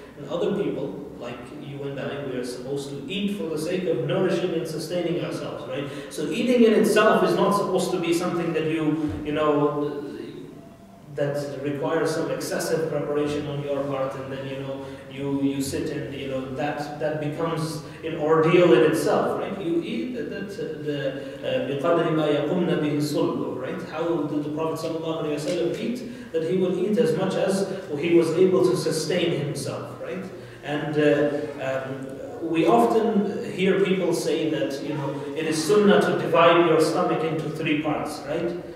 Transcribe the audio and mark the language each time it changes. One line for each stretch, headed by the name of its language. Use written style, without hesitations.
English: And other people, like you and I, we are supposed to eat for the sake of nourishing and sustaining ourselves, right? So eating in itself is not supposed to be something that you know, that requires some excessive preparation on your part, and then, you know, you sit and, you know, that becomes an ordeal in itself, right? You eat,
Arabic: بِقَدْرِ مَا يَقُمْنَ بِهِ صُلْبُ,
English: right? How did the Prophet ﷺ eat? That he would eat as much as he was able to sustain himself, right? And we often hear people say that, you know, it is sunnah to divide your stomach into three parts, right?